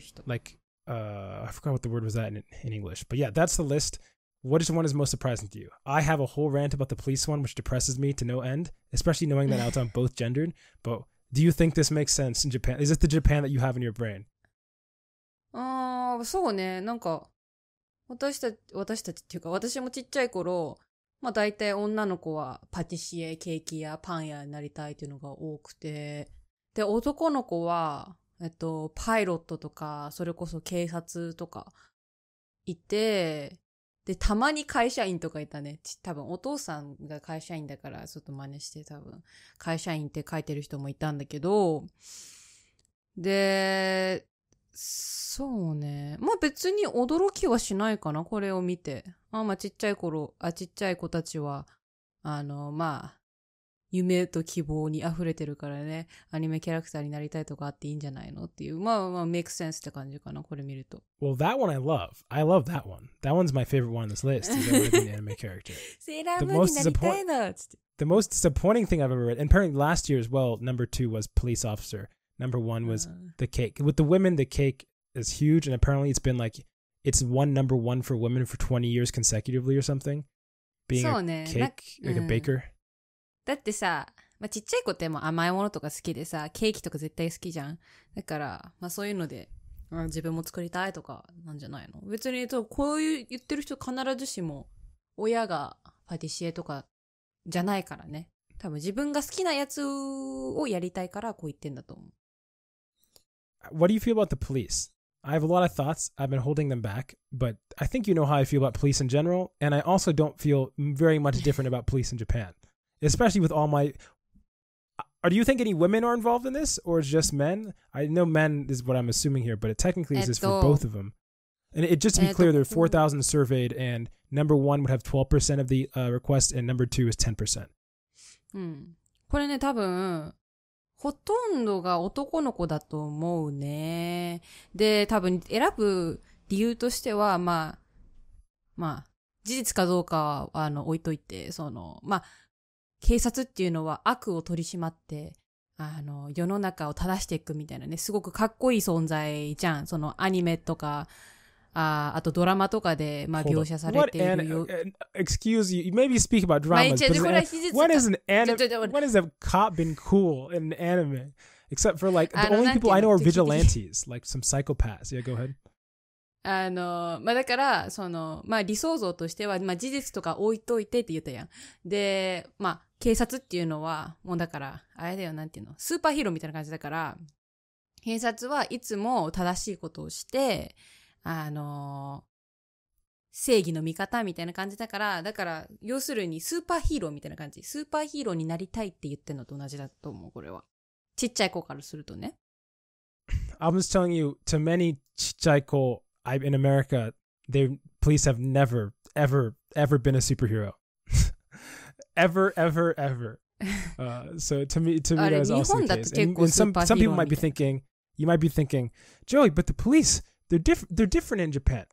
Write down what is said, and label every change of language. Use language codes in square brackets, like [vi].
[en] I forgot what the word was that in English. But yeah, that's the list. What is the one that's most surprising to you? I have a whole rant about the police one, which depresses me to no end, especially knowing that I'm both gendered. But do you think this makes sense in Japan? Is it the Japan that you have in your brain? [ja] そうね。なんか、私たちっていうか、私もちっちゃい頃、まあ大体女の子はパティシエ、ケーキ屋、パン屋になりたいっていうのが多くて、で男の子はパイロットとかそれこそ警察とかいて、でたまに会社員とかいたね。多分お父さんが会社員だからちょっと真似して、多分会社員って書いてる人もいたんだけど、でそうね、まあ別に驚きはしないかな、これを見て。まあまあちっちゃい頃、あ、ちっちゃい子たちはあのまあ夢と希望にあふれてるからね、アニメキャラクターになりたいとかあっていいんじゃないのっていう、まあまあ [en] make sense [ja] って感じかな、これ見ると。 [en] Well, that one I love. I love that one. That one's my favorite one on this list. Is an anime character. [ja] セーラームーンになりたいのつって。 [en] The most disappointing thing I've ever read, and apparently last year as well, number two was police officer. Number one was the cake. With the women, the cake is huge, and apparently it's been like, it's one number one for women for 20 years consecutively or something. Being a cake, like a baker. [ja] だってさ、まあ、ちっちゃい子でも甘いものとか好きでさ、ケーキとか絶対好きじゃん。だから、まあ、そういうので、まあ、自分も作りたいとかなんじゃないの。別にそう、こういう言ってる人必ずしも親がパティシエとかじゃないからね。多分自分が好きなやつをやりたいからこう言ってんだと思う。 [en] What do you feel about the police? I have a lot of thoughts. I've been holding them back, but I think you know how I feel about police in general, and I also don't feel very much different about police in Japan, especially with all my... Or do you think any women are involved in this, or it's just men? I know men is what I'm assuming here, but it technically is for both of them. And it, just to be clear, there are 4,000 surveyed, and number one would have 12% of the request, and number two is 10%. [ja] これね、多分ほとんどが男の子だと思うね。で、多分選ぶ理由としては、まあ、まあ、事実かどうかは、あの、置いといて、その、まあ、警察っていうのは悪を取り締まって、あの、世の中を正していくみたいなね、すごくかっこいい存在じゃん。そのアニメとか、あとドラマとかで、まあ、描写されているよ。 [en] Excuse you, maybe speak about dramas, but when has a cop been cool in anime? Except for like, the only people I know are vigilantes, like some psychopaths. Yeah, go ahead. [ja] あの、まあだから、その、まあ理想像としては、まあ事実とか置いといてって言ったやん。で、まあ警察っていうのは、もうだから、あれだよ、なんていうの、スーパーヒーローみたいな感じだから、警察はいつも正しいことをして、正義の味方みたいな感じだから、だから要するにスーパーヒーローみたいな感じ、スーパーヒーローになりたいって言ってるのと同じだと思う。これはちっちゃい子からするとね。 [en] I'm just telling you, to many [ja] ちっちゃい子 [en] in America, the police have never ever ever been a superhero. ever ever ever so to me that is also the case. And some people might be thinking, you might be thinking, Joey, but the policeThey're different in Japan.